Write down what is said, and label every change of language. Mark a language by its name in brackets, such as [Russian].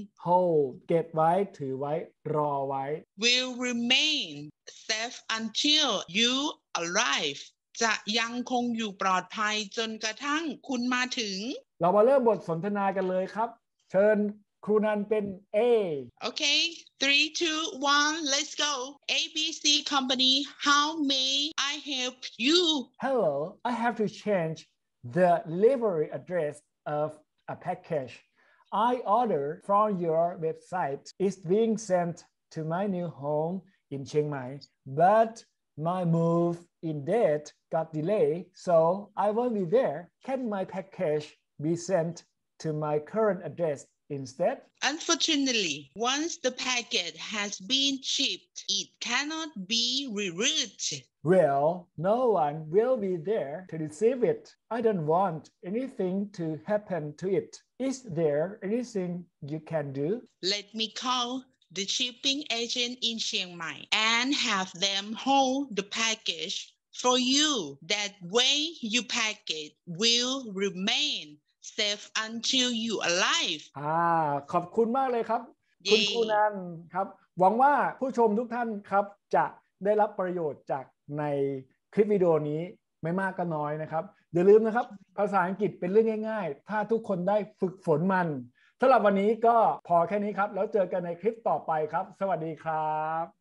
[Thai] hold เก็บไว้ถือไว้รอไว้ [English] will remain safe until you arrive [Thai] จะยังคงอยู่ปลอดภัยจนกระทั่งคุณมาถึง เรามาเริ่มบทสนทนากันเลยครับเชิญครูนันเป็น A [English] โอเค3 2 1 let's go ABC company how may I help you Hello I have to change the delivery address of a package I order from your website is being sent to my new home in Chiang Mai but my move in date got delayed so I won't be there can my packageBe sent to my current address instead. Unfortunately, once the packet has been shipped, it cannot be rerouted. Well, no one will be there to receive it. I don't want anything to happen to it. Is there anything you can do? Let me call the shipping agent in Chiang Mai and have them hold the package for you. That way, your packet will remainSafe until you arrive [Thai] ขอบคุณมากเลยครับ คุณครูนันครับหวังว่าผู้ชมทุกท่านครับจะได้รับประโยชน์จากในคลิปวิดีโอนี้ไม่มากก็น้อยนะครับอย่าลืมนะครับภาษาอังกฤษเป็นเรื่องง่ายๆถ้าทุกคนได้ฝึกฝนมันสำหรับวันนี้ก็พอแค่นี้ครับแล้วเจอกันในคลิปต่อไปครับสวัสดีครับ